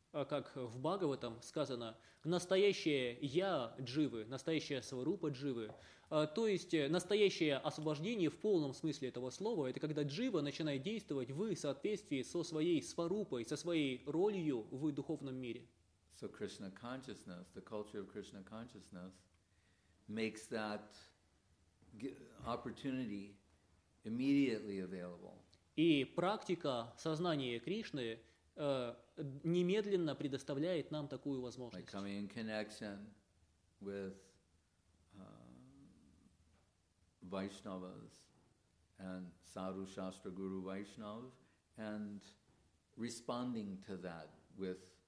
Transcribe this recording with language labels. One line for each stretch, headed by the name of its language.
Russian: Как в Бхагаватам сказано, настоящее я дживы, настоящая сварупа дживы, то есть настоящее освобождение в полном смысле этого слова, это когда джива начинает действовать в соответствии со своей сварупой, со своей ролью в духовном мире.
English: So Krishna consciousness, the culture of Krishna consciousness, makes that opportunity immediately available.
Russian: И практика сознания Кришны немедленно предоставляет нам такую возможность.
English: Like coming in connection with Vaishnavas and Sadhu Shastra Guru Vaishnav and responding to that with